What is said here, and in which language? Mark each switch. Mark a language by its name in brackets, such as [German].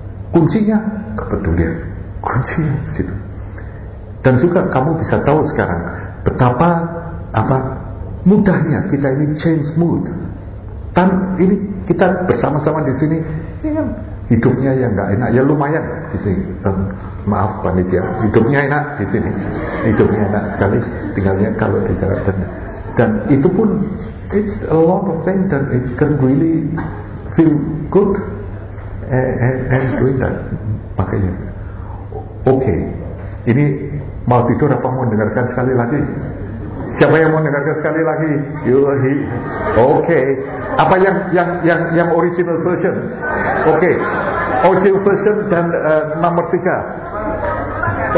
[Indonesian] Kuncinya kepedulian, kuncinya situ. Dan juga kamu bisa tahu sekarang betapa apa mudahnya kita ini change mood. Dan ini kita bersama-sama di sini, hidupnya yang enggak enak ya lumayan di sini. Maaf panitia, hidupnya enak di sini. Hidupnya enak sekali tinggalnya kalau di Jakarta. Dan itu pun [English] it's a lot of things that it can really feel good and doing that. [Indonesian] Makanya okay. Ini mau tidur apa mau dengarkan sekali lagi? Siapa yang mau dengarkan sekali lagi? Yulahi. Okay. Apa yang original version? Okay. Original version dan nomor 3.